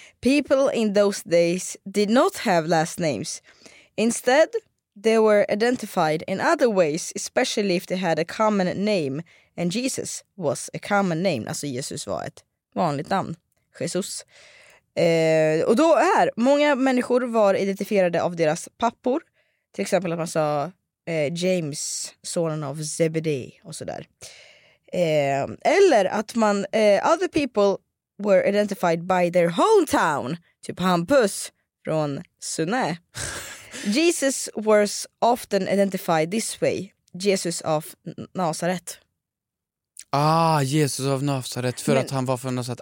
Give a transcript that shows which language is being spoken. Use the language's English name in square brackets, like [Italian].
[English] People in those days did not have last names. Instead, they were identified in other ways, especially if they had a common name. And Jesus was a common name. [Swedish] Alltså Jesus var ett vanligt namn. Jesus. Och då är många människor var identifierade av deras pappor. Till exempel att man sa James, sonen av Zebedee och sådär. [English] Eller att man, other people were identified by their hometown. Typ Hampus från Sunne. Jesus was often identified this way. Jesus of Nazareth. [Swedish] Ah, Jesus av Nazareth, för att han var från Nazareth.